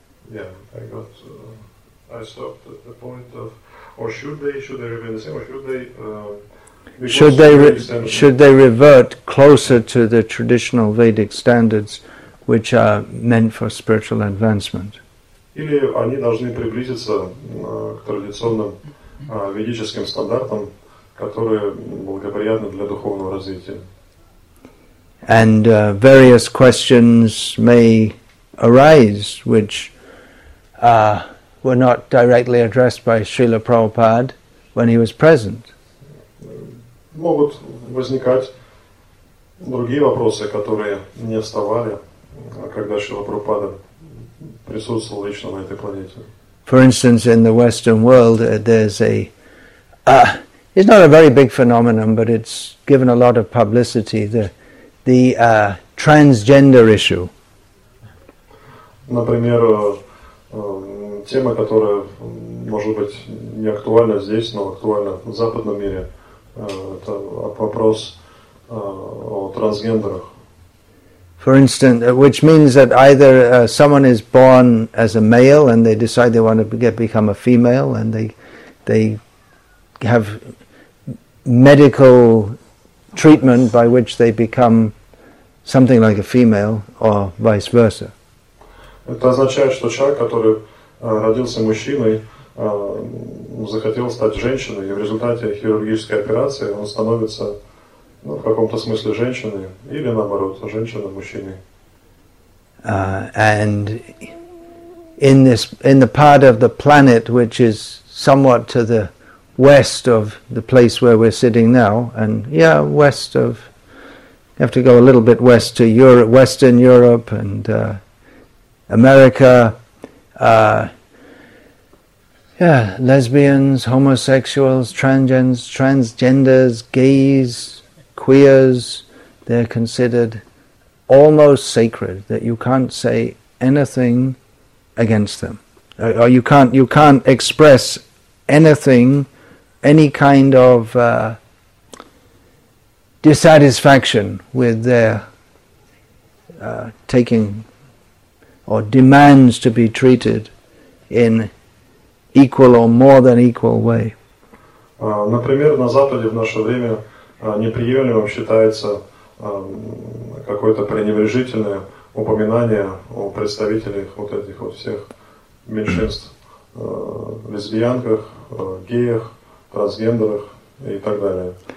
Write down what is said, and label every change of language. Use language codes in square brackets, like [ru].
[en] Yeah, I got, I stopped at the point of, or should they remain the same, or should they, Should they revert closer to the traditional Vedic standards, which are meant for spiritual advancement? [ru] Или они должны приблизиться к традиционным ведическим стандартам, которые благоприятны для духовного развития? [en] And various questions may arise, which were not directly addressed by Srila Prabhupada when he was present. [ru] Могут возникать другие вопросы, которые не вставали, когда Шрила Прабхупада присутствовал лично на этой планете. [en] For instance, in the Western world, there's a... it's not a very big phenomenon, but it's given a lot of publicity, the transgender issue. [ru] Например, тема, которая может быть не актуальна здесь, но актуальна в западном мире, это вопрос о трансгендерах. [en] For instance, which means that either someone is born as a male and they decide they want to become a female and they have medical treatment by which they become something like a female or vice versa. [ru] Это означает, что человек, который родился мужчиной, захотел стать женщиной, и в результате хирургической операции он становится, ну, в каком-то смысле женщиной, или наоборот, женщина-мужчиной. [en] And in this, in the part of the planet which is somewhat to the west of the place where we're sitting now, and yeah, west of, you have to go a little bit west to Europe, Western Europe and America. Yeah, lesbians, homosexuals, transgenders, gays, queers, they're considered almost sacred, that you can't say anything against them. Or you can't express anything, any kind of dissatisfaction with their taking or demands to be treated in equal or more than equal way. [ru] Например, на Западе в наше время неприемлемым считается какое-то пренебрежительное упоминание о представителях вот этих вот всех меньшинств, лесбиянках, геях, трансгендерах и так далее.